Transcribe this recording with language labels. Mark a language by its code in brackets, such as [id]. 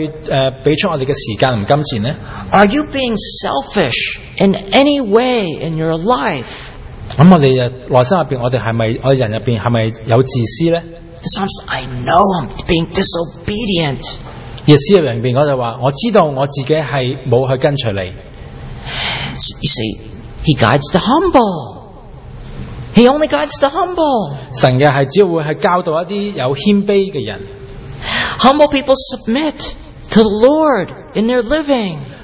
[zh] 究竟我们是不是真的很乐意的去给出我们的时间和金钱呢？ [en] Are you being selfish in any way in your life? [zh] 我们内心里面，我们人里面是不是有自私呢？ [en] The psalmist says, I know I'm being disobedient. [zh] 耶稣里面那句话，我知道我自己是没有去跟随你。 [en] You see, he guides the humble. He only guides the humble. [zh] 神只会教导一些有谦卑的人。 [en] Humble people submit to the Lord in their living.